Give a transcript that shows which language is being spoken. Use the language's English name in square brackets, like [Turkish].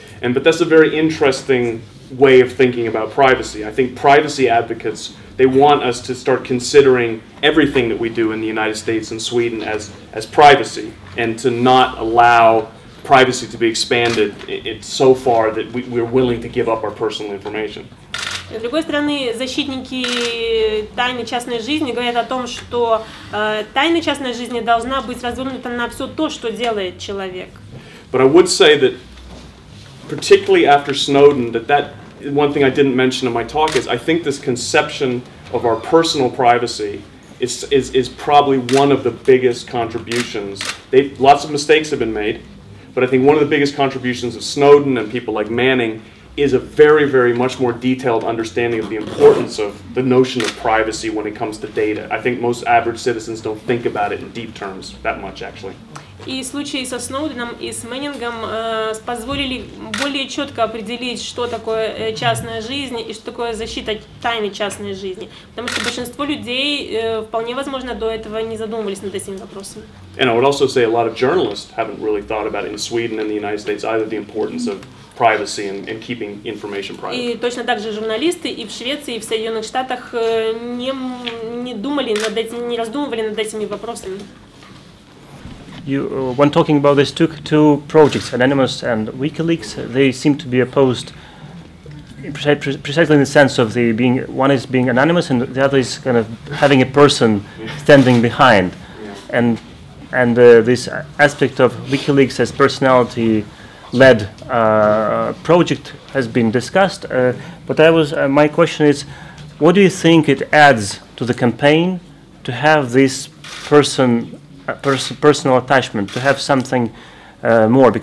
[English] And but that's a very interesting way of thinking about privacy. I think privacy advocates, they want us to start considering everything that we do in the United States and Sweden as privacy, and to not allow privacy to be expanded so far that we're willing to give up our personal information. [Russian] С другой стороны, защитники тайны частной жизни говорят о том, что тайна частной жизни должна быть развернута на все то, что делает человек. [English] But I would say that, particularly after Snowden, that one thing I didn't mention in my talk is I think this conception of our personal privacy is probably one of the biggest contributions. Lots of mistakes have been made, but I think one of the biggest contributions of Snowden and people like Manning is a very, very much more detailed understanding of the importance of the notion of privacy when it comes to data. I think most average citizens don't think about it in deep terms that much, actually. [Russian] И случаи со Сноуденом и с Мэннингом позволили более четко определить, что такое частная жизнь и что такое защита тайны частной жизни. Потому что большинство людей, вполне возможно, до этого не задумывались над этими вопросами. [English] And I would also say a lot of journalists haven't really thought about it in Sweden and the United States either the importance of privacy and keeping information private. [Russian] И точно так же журналисты и в Швеции, и в Соединенных Штатах не раздумывали над этими вопросами. [English] You, when talking about these two projects, Anonymous and WikiLeaks, they seem to be opposed precisely in the sense of the being one is being anonymous and the other is kind of having a person standing behind. Yeah. And this aspect of WikiLeaks as personality led project has been discussed, but my question is, what do you think it adds to the campaign to have this personal attachment, to have something more?